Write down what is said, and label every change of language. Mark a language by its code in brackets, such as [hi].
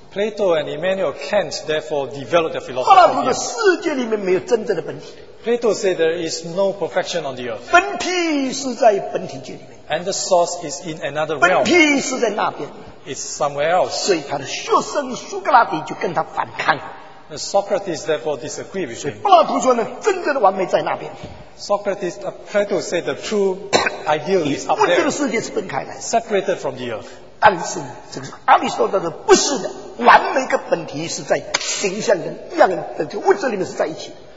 [en] Plato and Immanuel Kant therefore developed their philosophy. [zh] 柏拉图的世界里面没有真正的本体。 [en] Plato said there is no perfection on the earth. [zh] 本体是在本体界里面。 [en] And the source is in another realm. [zh] 本体是在那边。 [en] It's somewhere else. [zh] 所以他的学生苏格拉底就跟他反抗。 [en] The Socrates therefore disagreed with him. [zh] 柏拉图说呢，真正的完美在那边。 [en] Socrates, Plato said the true ideal is up there. [zh] 物质的世界是分开的。 [en] Separated from the earth. [zh] 但是这个阿里说的不是的，完美跟本体是在形象跟样的物质里面是在一起。